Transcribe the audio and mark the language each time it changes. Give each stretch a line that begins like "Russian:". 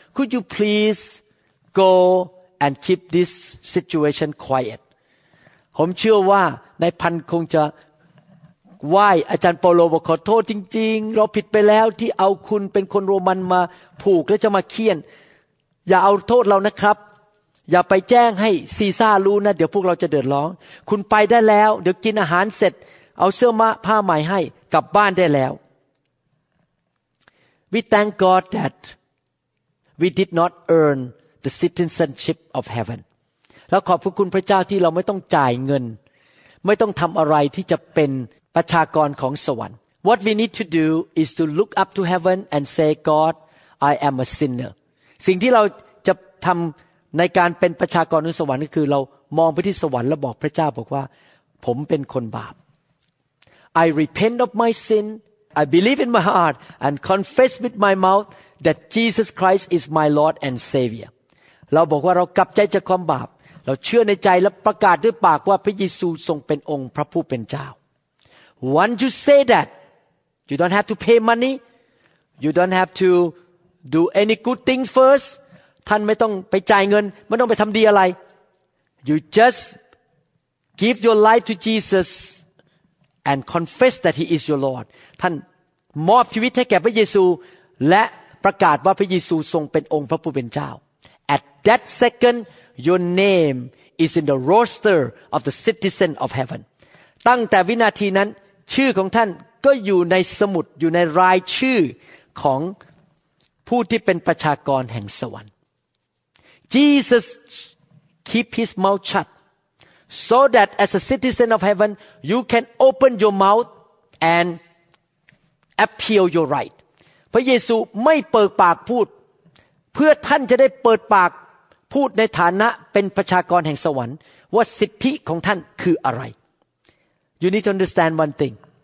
English: Could you please go and keep this situation quiet?
Thai: ผมเชื่อว่านายพันคงจะไหว้อาจารย์เปาโลบอกขอโทษจริงๆเราผิดไปแล้วที่เอาคุณเป็นคนโรมันมาผูกและจะมาเคี่ยนอย่าเอาโทษเรานะครับอย่าไปแจ้งให้ซีซาร์รู้นะเดี๋ยวพวกเราจะเดือดร้อนคุณไปได้แล้วเดี๋ยวกินอาหารเสร็จเอาเสื้อมาผ้าใหม่ให้กลับบ้านได้แล้ว
English: We thank God that we did not earn the citizenship of heaven
Thai: แล้วขอบคุณพระเจ้าที่เราไม่ต้องจ่ายเงินไม่ต้องทำอะไรที่จะเป็นประชากรของสวรรค์
English: What we need to do is to look up to heaven and say God I am a sinner
Thai: สิ่งที่เราจะทำในการเป็นประชากรในสวรรค์ก็คือเรามองไปที่สวรรค์แล้วบอกพระเจ้าบอกว่าผมเป็นคนบาป
English: I repent of my sin. I believe in my heart and confess with my mouth that Jesus Christ is my Lord and Savior.
Thai: เราบอกว่าเรากลับใจจากความบาปเราเชื่อในใจและประกาศด้วยปากว่าพระเยซูทรงเป็นองค์พระผู้เป็นเจ้า
English: Once you say that, you don't have to pay money. You don't have to do any good things first.
Thai: ท่านไม่ต้องไปจ่ายเงินไม่ต้องไปทำดีอะไร
English: You just give your life to Jesus. And confess that he is your Lord.
Thai: ท่านมอบชีวิตให้แก่พระเยซูและประกาศว่าพระเยซูทรงเป็นองค์พระผู้เป็นเจ้า
English: At that second, your name is in the roster of the citizen of heaven.
Thai: ตั้งแต่วินาทีนั้นชื่อของท่านก็อยู่ในสมุดอยู่ในรายชื่อ ของผู้ที่เป็นประชากรแห่งสวรรค์
English: Jesus keep his mouth shut so that as a citizen of heaven you can open your mouth and appeal your right
Thai: พระเยซูไม่เปิดปากพูดเพื่อท่านจะได้เปิดปากพูดในฐานะเป็นประชากรแห่งสวรรค์ว่าสิทธิของท่านคืออะไร
English: You need to understand one thing